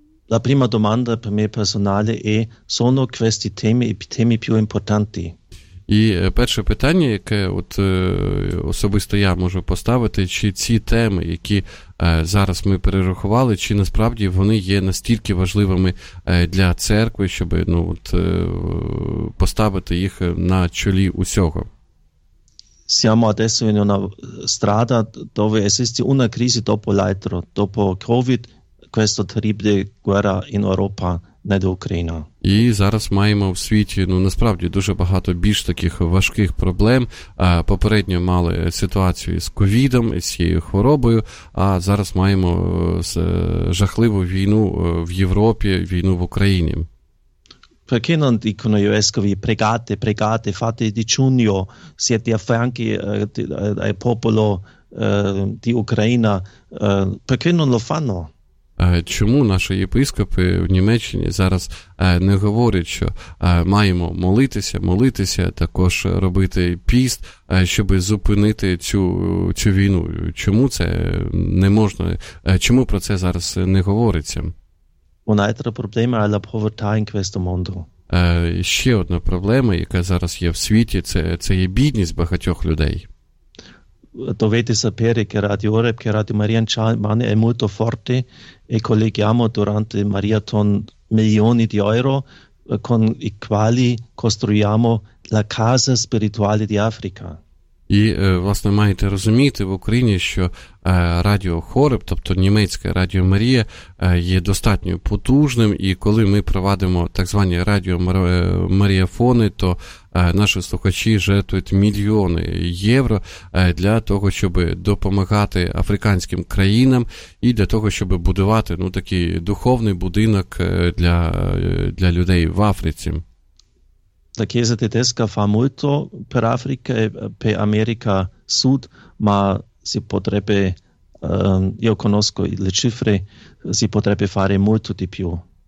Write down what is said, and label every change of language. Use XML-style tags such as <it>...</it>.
<it>La prima domanda per me personale è sono questi temi i temi più importanti?</it> <uk>І перше питання, яке от особисто я можу поставити, чи ці теми, які зараз ми перерахували, чи насправді вони є настільки важливими для церкви, щоб ну, от, поставити їх на чолі усього.</uk> <it>Siamo adesso in una strada dove esiste una crisi dopo l'altro, dopo Covid, questa terribile guerra in Europa, не до Україна.</it> <uk>І зараз маємо в світі, ну, насправді, дуже багато більш таких важких проблем. Попередньо мали ситуацію з ковідом, з цією хворобою, а зараз маємо жахливу війну в Європі, війну в Україні.</uk> <it>Perché non dicono gli vescovi pregate, pregate, fate digiuno, siete a fianchi al popolo di Ucraina, perché non lo fanno?</it> <uk>Чому наші єпископи в Німеччині зараз не говорять, що маємо молитися, молитися, також робити піст, щоб зупинити цю війну? Чому це не можна? Чому про це зараз не говориться?</uk> <it>Un'altra problema è la povertà in questo mondo.</it> <uk>Ще одна проблема, яка зараз є в світі, це є бідність багатьох людей.</uk> <it>Dovete sapere che Radio Horeb, che Radio Maria in Germania è molto forte e colleghiamo durante Marathon milioni di euro con i quali costruiamo la casa spirituale di Africa.</it> <uk>І, власне, маєте розуміти в Україні, що Радіо Хореб, тобто німецьке Радіо Марія, є достатньо потужним, і коли ми проводимо так звані Радіо Маріафони, то наші слухачі жертвують мільйони євро для того, щоб допомагати африканським країнам і для того, щоб будувати ну, такий духовний будинок для людей в Африці.</uk> <it>La Chiesa tedesca fa molto per Africa e per America Sud, ma si potrebbe, io conosco le cifre, si potrebbe fare molto di più.</it>